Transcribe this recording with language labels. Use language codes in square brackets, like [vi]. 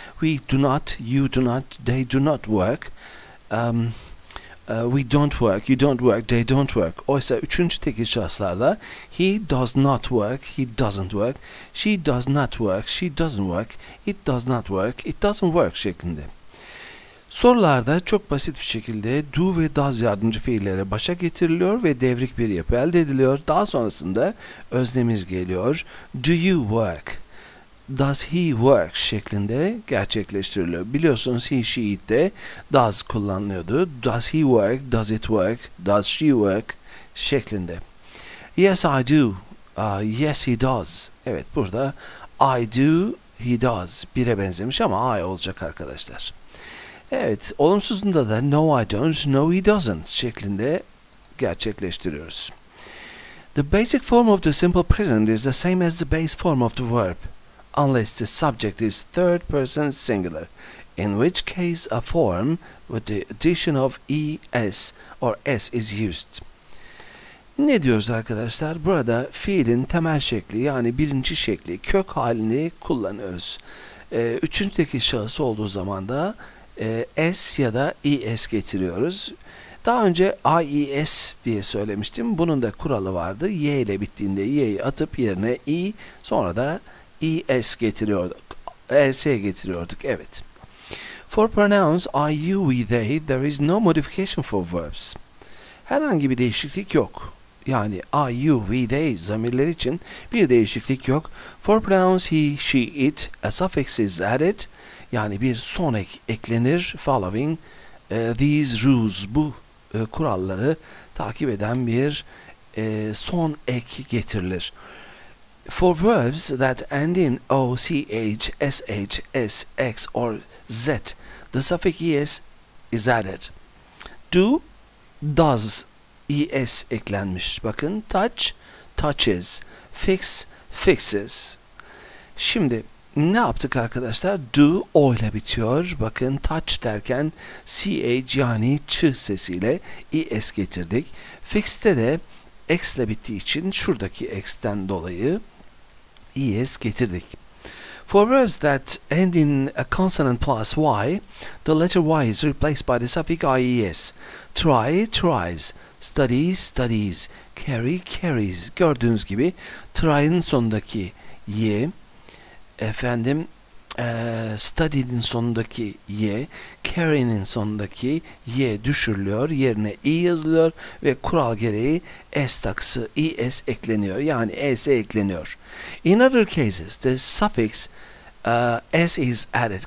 [en] We do not, you do not, they do not work. We don't work, you don't work, they don't work. [tr] Oysa üçüncü tekil şahıslarda [en] he does not work, he doesn't work, she does not work, she doesn't work, it does not work, it doesn't work [tr] şeklinde. Sorularda çok basit bir şekilde do ve does yardımcı fiillere başa getiriliyor ve devrik bir yapı elde ediliyor. Daha sonrasında öznemiz geliyor. [en] Do you work? Does he work? [tr] Şeklinde gerçekleştiriliyor. Biliyorsunuz [en] he, she, it de does [tr] kullanılıyordu. [en] Does he work? Does it work? Does she work? [tr] Şeklinde. [en] Yes, I do. Yes, he does. [tr] Evet, burada [en] I do, he does. [tr] Bire benzemiş ama I olacak arkadaşlar. Evet, olumsuzunda da [en] no I don't, no he doesn't [tr] şeklinde gerçekleştiriyoruz. [en] The basic form of the simple present is the same as the base form of the verb, unless the subject is third person singular, in which case a form with the addition of es or s is used. [tr] Ne diyoruz arkadaşlar? Burada fiilin temel şekli yani birinci şekli, kök halini kullanıyoruz. Üçüncü tekil şahısı olduğu zaman da S ya da ES getiriyoruz. Daha önce IES diye söylemiştim. Bunun da kuralı vardı. Y ile bittiğinde Y'yi atıp yerine I, sonra da ES getiriyorduk. ES getiriyorduk. Evet. [en] For pronouns I, you, we, they, there is no modification for verbs. [tr] Herhangi bir değişiklik yok. Yani I, you, we, they zamirleri için bir değişiklik yok. [en] For pronouns he, she, it, a suffix is added. [tr] Yani bir son eklenir [en] following these rules, [tr] bu kuralları takip eden bir son ek getirilir. [en] For verbs that end in o, ch, sh, s, x or z, the suffix es is added. [tr] Do, does, es eklenmiş. Bakın, touch, touches, fix, fixes. Şimdi ne yaptık arkadaşlar? Do o ile bitiyor. Bakın touch derken ch yani ç sesiyle es getirdik. Fix'te de x ile bittiği için şuradaki x'ten dolayı es getirdik. [en] For verbs that end in a consonant plus y, the letter y is replaced by the suffix ies. Try, tries. Study, studies. Carry, carries. [tr] Gördüğünüz gibi try'ın sonundaki y, efendim, study'nin sonundaki y, carry'nin sonundaki y düşürülüyor. Yerine i yazılıyor ve kural gereği s takısı, es ekleniyor. Yani es ekleniyor. [en] In other cases, the suffix s is added.